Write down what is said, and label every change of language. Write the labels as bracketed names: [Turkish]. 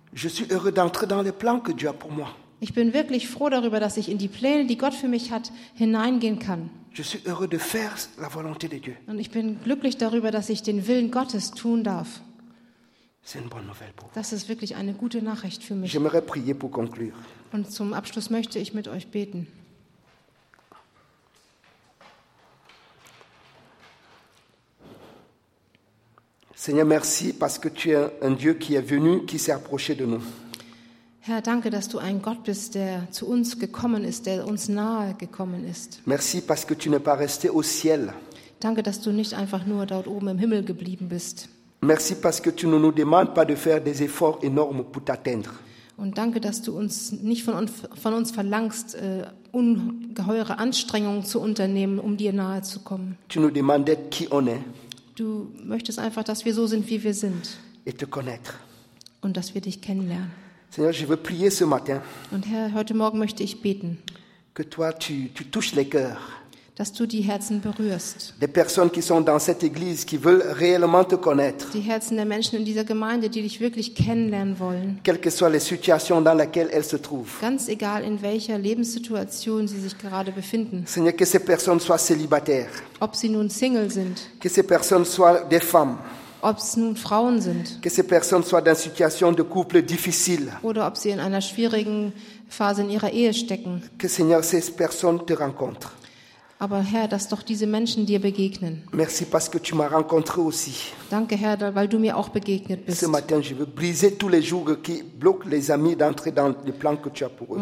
[French] Je suis heureux d'entrer dans les plans que Dieu a pour moi. [German] Ich bin wirklich froh darüber, dass ich in die Pläne, die Gott für mich hat, hineingehen kann. [French] Je suis heureux de faire la volonté de Dieu. [German] Und ich bin glücklich darüber, dass ich den Willen Gottes tun darf. [French] C'est une bonne nouvelle pour vous. [German] Das ist wirklich eine gute Nachricht für mich. [French] J'aimerais prier pour conclure. [German] Und zum Abschluss möchte ich mit euch beten. [French] Seigneur, merci parce que tu es un Dieu qui est venu, qui s'est approché de nous. [German] Herr, danke, dass du ein Gott bist, der zu uns gekommen ist, der uns nahe gekommen ist. [French] Merci parce que tu n'es pas resté au ciel. [German] Danke, dass du nicht einfach nur dort oben im Himmel geblieben bist. [French] Merci parce que tu ne nous demandes pas de faire des efforts énormes pour t'atteindre. [German] Und danke, dass du uns nicht von uns verlangst, ungeheure Anstrengungen zu unternehmen, um dir nahe zu kommen. [French] Tu nous demandes qui on est. [German] Du möchtest einfach, dass wir so sind, wie wir sind. [French] Et te connaître. [German] Und dass wir dich kennenlernen. [French] Seigneur, je veux prier ce matin. [German] Und Herr, heute Morgen möchte ich beten. [French] Que toi, tu touches les cœurs. [German] Dass du die Herzen berührst. [French] Des personnes qui sont dans cette église qui veulent réellement te connaître. [German] Die Herzen der Menschen in dieser Gemeinde, die dich wirklich kennenlernen wollen. [French] Quelles que soient les situations dans lesquelles elles se trouvent. [German] Ganz egal in welcher Lebenssituation sie sich gerade befinden. [French] Seigneur, que ces personnes soient célibataires. [German] Ob sie nun Single sind. [French] Que ces personnes soient des femmes. [German] Ob es nun Frauen sind. [French] Que ces personnes soient dans situation de couple difficile. [German] Oder ob sie in einer schwierigen Phase in ihrer Ehe stecken. [French] Que Seigneur, ces personnes te rencontrent. [German] Aber Herr, dass doch diese Menschen dir begegnen. [French] Merci parce que tu m'as rencontré aussi. [German] Danke, Herr, weil du mir auch begegnet bist. [French] Ce matin, je veux briser tous les jougs qui bloquent les amis d'entrer dans le plan que tu as pour eux.